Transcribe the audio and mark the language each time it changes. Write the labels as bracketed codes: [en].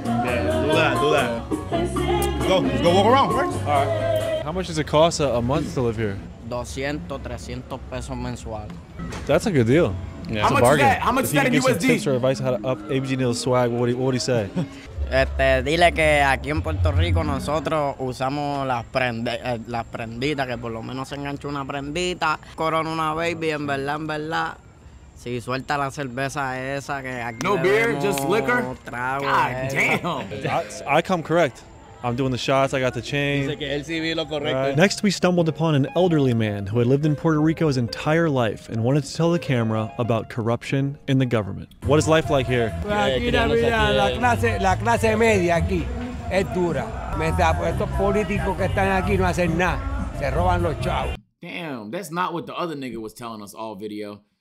[en] Yeah, do that. Go walk around first. All right. How much does it cost a month to live here? [es] 200, 300 pesos mensual. [en] That's a good deal. Yeah, how much bargain. Is that? How much if is that in USD? If he gives some tips or advice how to up ABG Neal's swag, what would he say? [es] Dile que aquí en Puerto Rico nosotros usamos las prenditas, que por lo menos se engancha una prendita, corona una baby, en verdad, si suelta la cerveza esa que aquí [en] no beer, just liquor? [es] Trago, [en] God damn. I come correct. I'm doing the shots, I got the chain. Right. Next, we stumbled upon an elderly man who had lived in Puerto Rico his entire life and wanted to tell the camera about corruption in the government. What is life like here? [es] La clase media aquí es dura. Estos políticos que están aquí no hacen nada. Se roban los chavos. [en] Damn, that's not what the other nigga was telling us all video.